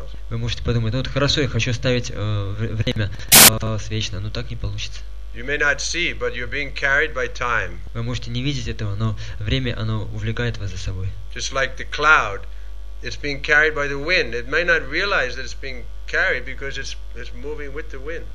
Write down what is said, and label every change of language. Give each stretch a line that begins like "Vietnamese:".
Russian: Вы можете подумать, ну вот хорошо, я хочу оставить время вечно, но так не получится.
English: You may not see, but you're being carried by time.
Russian: Вы можете не видеть этого, но время, оно увлекает вас за собой.
English: Just like the cloud, it's being carried by the wind. It may not realize that it's being carried because it's moving with the wind.